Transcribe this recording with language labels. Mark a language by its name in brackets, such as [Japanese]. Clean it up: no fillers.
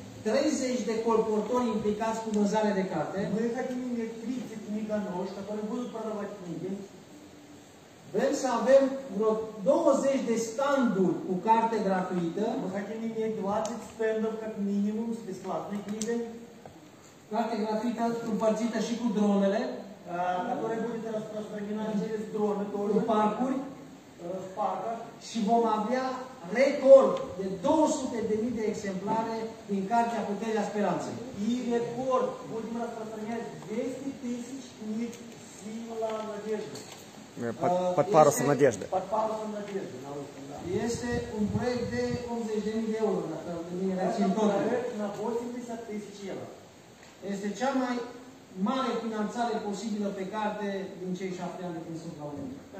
[Romanian] 30 de colportori implicați cu vânzare de carte. [Russian] Мы хотим иметь 30 книгоносцев, которые будут продавать книги. [Romanian] Vrem să avem vreo 20 de standuri cu carte gratuită. [Russian] Мы хотим иметь 20 стендов как минимум с бесплатной книгой. [Romanian] Carte gratuită împărțită și cu dronele. Care [Russian] будет распространена через дроны тоже. В парках. В парках. [Romanian] Și vom avea record de 200.000 de exemplare din cartea Puterea Speranței. [Russian] И record. Будем распространять 200.000 книг «Сила надежды». Под парусом надежды. Под парусом надежды, на русском, да. Есть [Romanian] un проект de 80.000 de euro, dacă ne rețin tot. [Russian] Это проект на 80.000 евро. [Romanian] Este cea mai mare finanțare posibilă pe carte din cei 7 ani de când sunt la Unii.